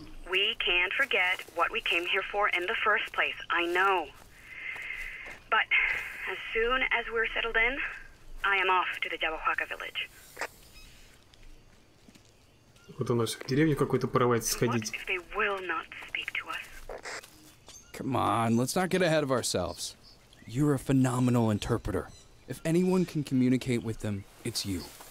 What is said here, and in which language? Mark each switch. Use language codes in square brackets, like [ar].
[en] We can't forget what we came here for in the first place, I know. But as soon as we're settled in, I am off to the Jabahuaca village. [ru] Вот у нас в деревню какой-то порывается сходить. [en] What if they will not speak to us? Come on, let's not get ahead of ourselves. You're a phenomenal interpreter. If anyone can communicate with them, it's you.